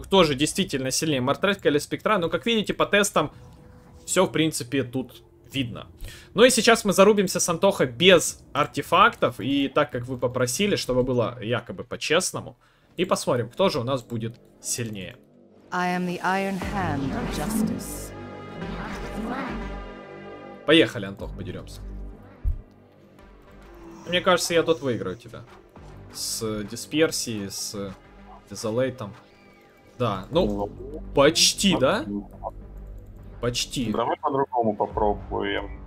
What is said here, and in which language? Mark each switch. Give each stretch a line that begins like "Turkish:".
Russian: Кто же действительно сильнее, Мартретка или Спектра? Но, как видите, по тестам все, в принципе, тут видно. Ну и сейчас мы зарубимся с Антохой без артефактов. И так, как вы попросили, чтобы было якобы по-честному. И посмотрим, кто же у нас будет сильнее.
English: I am the Iron Hand of Justice.
Russian: Поехали, Антох, подеремся. Мне кажется, я тут выиграю тебя. С дисперсией, с дизолейтом. Да, ну, почти, да? Почти. Давай по-другому попробуем.